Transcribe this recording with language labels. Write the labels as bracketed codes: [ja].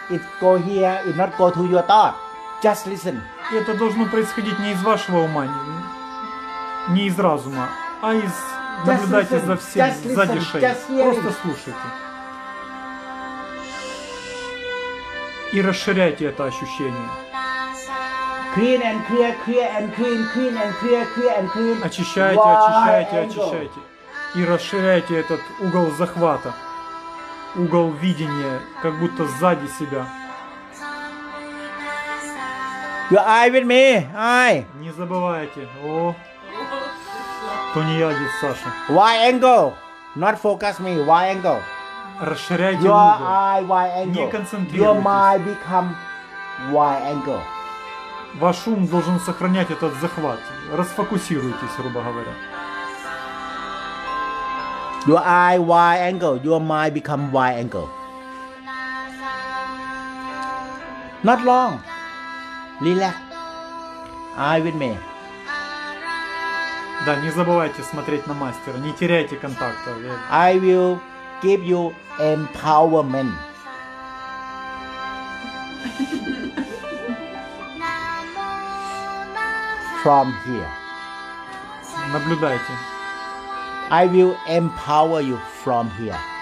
[en] It go here, it not go to your thought. Just listen. [ru] И это должно происходить не из вашего ума, не из разума, а из наблюдайте за всем сзади шеи. Просто слушайте. И расширяйте это ощущение. [en] Clean and clear, clear and clean, clean and clear, clear and clean. [ru] Очищайте, очищайте, очищайте. И расширяйте этот угол захвата. Угол видения, как будто сзади себя. [en] Your eye with me, eye. [ru] Не забывайте, о. Тунеядец Саша. [en] Wide angle, not focus me, wide angle. [ru] Расширяйте [en] your [ru] угол. [en] Your eye wide angle. [ru] Не концентрируйтесь. [en] Your mind become wide angle. [ru] Ваш ум должен сохранять этот захват. Расфокусируйтесь, грубо говоря. [en] Your eye wide angle, your mind become wide angle. Not long. Relax. Eye with me. [ru] Да, не забывайте смотреть на мастера, не теряйте контакта. [en] I will give you empowerment. From here. [ru] Наблюдайте. [en] I will empower you from here.